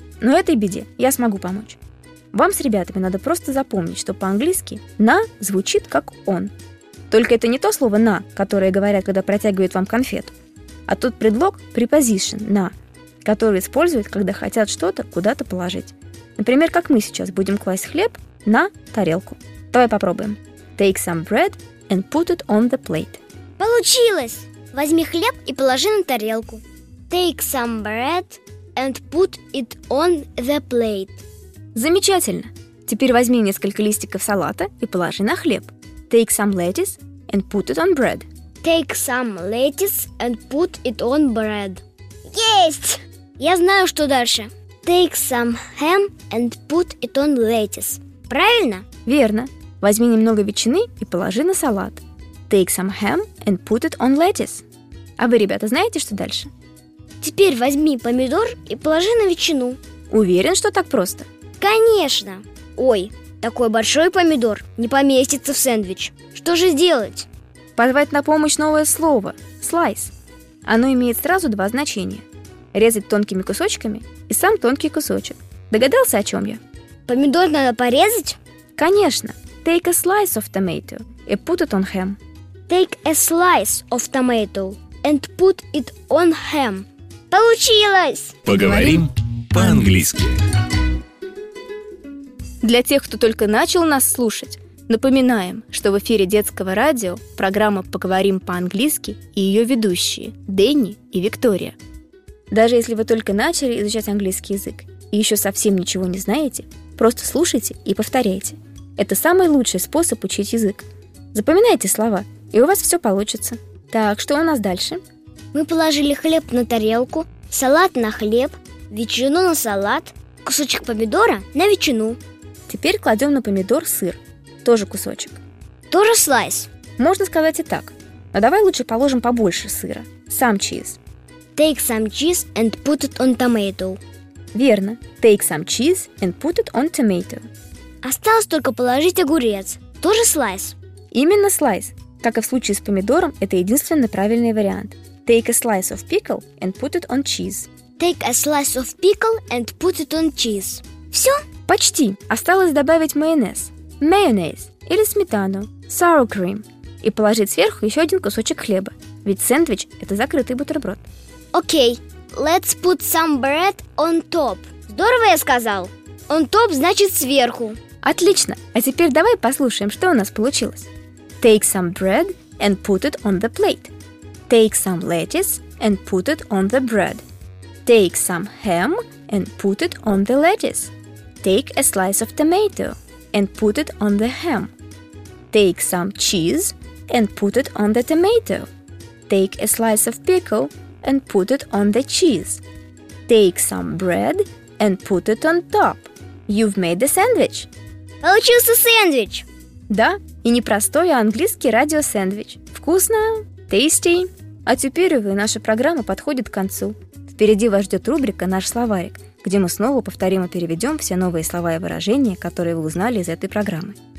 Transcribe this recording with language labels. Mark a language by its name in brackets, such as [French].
[Russian] Но этой беде я смогу помочь. Вам с ребятами надо просто запомнить, что по-английски «на» звучит как «он». Только это не то слово «на», которое говорят, когда протягивают вам конфету, а тот предлог «preposition» «на», которые используют, когда хотят что-то куда-то положить. Например, как мы сейчас будем класть хлеб на тарелку. Давай попробуем. [English] Take some bread and put it on the plate. [Russian] Получилось! Возьми хлеб и положи на тарелку. [English] Take some bread and put it on the plate. [Russian] Замечательно! Теперь возьми несколько листиков салата и положи на хлеб. [English] Take some lettuce and put it on bread. Take some lettuce and put it on bread. [Russian] Есть! Я знаю, что дальше. [English] Take some ham and put it on lettuce. [Russian] Правильно? Верно. Возьми немного ветчины и положи на салат. [English] Take some ham and put it on lettuce. [Russian] А вы, ребята, знаете, что дальше? Теперь возьми помидор и положи на ветчину. Уверен, что так просто? Конечно. Ой, такой большой помидор не поместится в сэндвич. Что же сделать? Позвать на помощь новое слово – slice. Оно имеет сразу два значения. Резать тонкими кусочками и сам тонкий кусочек. Догадался, о чем я? Помидор надо порезать? Конечно. [English] Take a slice of tomato and put it on ham. Take a slice of tomato and put it on ham. [Russian] Получилось! Поговорим по-английски. Для тех, кто только начал нас слушать, напоминаем, что в эфире детского радио программа «Поговорим по-английски» и ее ведущие Дэнни и Виктория. Даже если вы только начали изучать английский язык и еще совсем ничего не знаете, просто слушайте и повторяйте. Это самый лучший способ учить язык. Запоминайте слова, и у вас все получится. Так, что у нас дальше? Мы положили хлеб на тарелку, салат на хлеб, ветчину на салат, кусочек помидора на ветчину. Теперь кладем на помидор сыр, тоже кусочек. Тоже слайс. Можно сказать и так. Но давай лучше положим побольше сыра, сам чиз. [English] Take some cheese and put it on tomato. [Russian] Верно. [English] Take some cheese and put it on tomato. [Russian] Осталось только положить огурец. Тоже слайс. Именно слайс. Как и в случае с помидором, это единственный правильный вариант. [English] Take a slice of pickle and put it on cheese. Take a slice of pickle and put it on cheese. [Russian] Все? Почти. Осталось добавить майонез. [English] Mayonnaise [Russian] или сметану. [English] Sour cream. [Russian] И положить сверху еще один кусочек хлеба. Ведь сэндвич – это закрытый бутерброд. [English] Окей, let's put some bread on top. [Russian] Здорово, я сказал. [English] On top [Russian] значит сверху. Отлично, а теперь давай послушаем, что у нас получилось. [English] Take some bread and put it on the plate. Take some lettuce and put it on the bread. Take some ham and put it on the lettuce. Take a slice of tomato and put it on the ham. Take some cheese and put it on the tomato. Take a slice of pickle and put it on the cheese. Take some bread and put it on top. You've made the sandwich. [Russian] Получился сэндвич! Да, и не простой, а английский радио-сэндвич. Вкусно, tasty. А теперь, увы, наша программа подходит к концу. Впереди вас ждет рубрика «Наш словарик», где мы снова повторим и переведем все новые слова и выражения, которые вы узнали из этой программы.